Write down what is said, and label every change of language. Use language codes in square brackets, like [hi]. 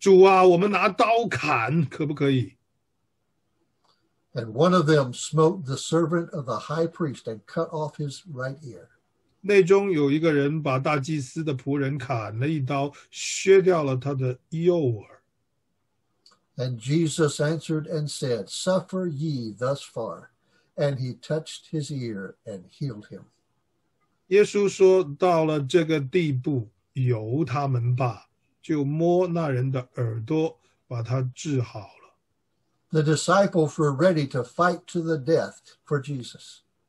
[zh] 左右的人见光景不好，就说：“主啊，我们拿刀砍，可不可以？” [en] And one of them smote the servant of the high priest and cut off his right ear. [zh] 内中有一个人把大祭司的仆人砍了一刀，削掉了他的右耳。 [en] And Jesus answered and said, Suffer ye thus far. And he touched his ear and healed him. [zh] 耶稣说，到了这个地步，由他们吧，就摸那人的耳朵，把他治好了。The [en] disciples were ready to fight to the death for Jesus.